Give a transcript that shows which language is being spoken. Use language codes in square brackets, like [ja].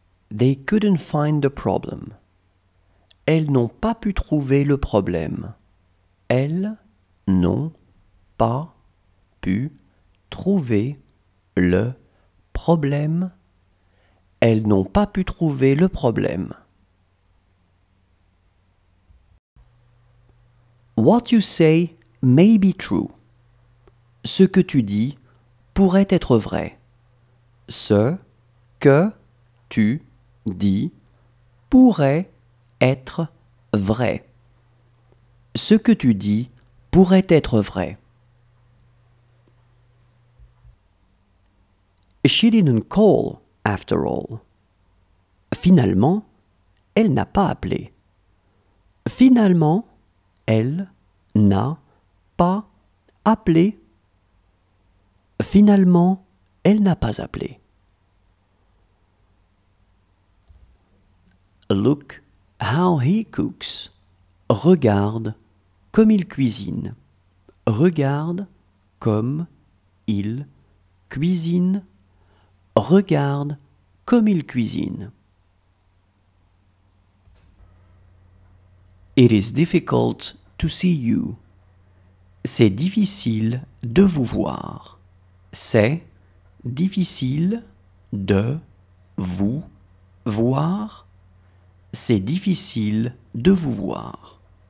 [en] They couldn't find the problem. [fr] Elles n'ont pas pu trouver le problème. Elles n'ont pas pu trouver le problème. Elles n'ont pas pu trouver le problème. [en] What you say may be true. [fr] Ce que tu dis pourrait être vrai. Ce que tu dis pourrait être vrai. Ce que tu dis pourrait être vrai. [en] She didn't call, after all. [fr] Finalement, elle n'a pas appelé. Finalement, elle n'a pas appelé. Finalement, elle n'a pas appelé. [en] Look how he cooks. [fr] Regarde comme il cuisine. Regarde comme il cuisine. Regarde comme il cuisine. [en] It is difficult to see you. [fr] C'est difficile de vous voir. C'est difficile de vous voir. C'est difficile de vous voir.